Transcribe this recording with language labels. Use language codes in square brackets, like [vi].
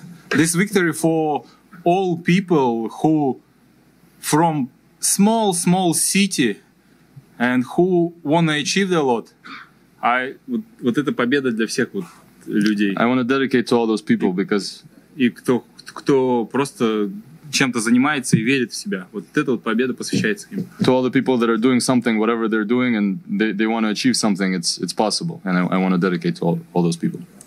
[en] This victory for all people who from small city and who want to achieve a lot. [ru] Вот эта победа для всех вот людей. [en] I want to dedicate to all those people because [ru] и кто просто чем-то занимается и верит в себя. Вот эта вот победа посвящается им. [en] To all the people that are doing something, whatever they're doing, and they want to achieve something, it's possible. And I want to dedicate to all those people.